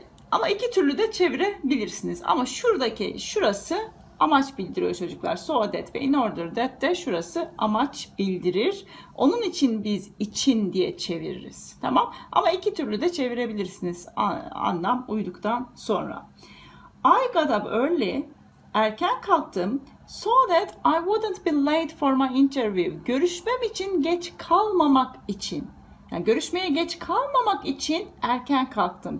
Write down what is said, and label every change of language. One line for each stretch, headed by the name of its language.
Turkish: Ama iki türlü de çevirebilirsiniz. Ama şuradaki şurası amaç bildiriyor çocuklar. So that ve in order that de şurası amaç bildirir. Onun için biz için diye çeviririz. Tamam? Ama iki türlü de çevirebilirsiniz anlam uyduktan sonra.
English: I got up early.
Turkish: Erken kalktım.
English: So that I wouldn't be late for my interview.
Turkish: Görüşmem için geç kalmamak için. Yani görüşmeye geç kalmamak için erken kalktım.